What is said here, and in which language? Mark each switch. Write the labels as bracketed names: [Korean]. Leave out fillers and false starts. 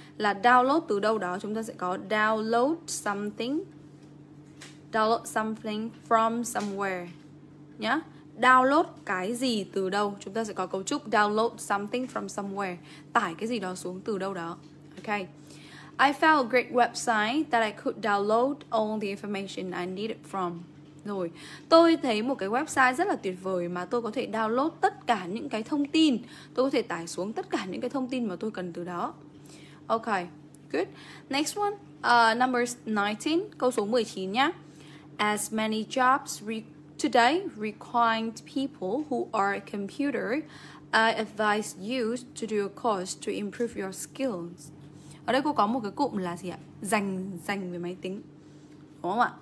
[Vietnamese] Là download từ đâu đó, chúng ta sẽ có download something. [English] Download something from somewhere. Nhá. [Vietnamese] Download cái gì từ đâu? Chúng ta sẽ có cấu trúc [English] download something from somewhere. [Vietnamese] Tải cái gì đó xuống từ đâu đó. [English] Ok. I found a great website that I could download all the information I needed from. [Vietnamese] Rồi, tôi thấy một cái website rất là tuyệt vời mà tôi có thể download tất cả những cái thông tin. Tôi có thể tải xuống tất cả những cái thông tin mà tôi cần từ đó. Ok, good. [English] Next one, number 19, [Vietnamese] câu số 19 nhá. [English] As many jobs today require people who are computer, I advise you to do a course to improve your skills. [Vietnamese] Ở đây cô có một cái cụm là gì ạ? Dành về máy tính. Đúng không ạ?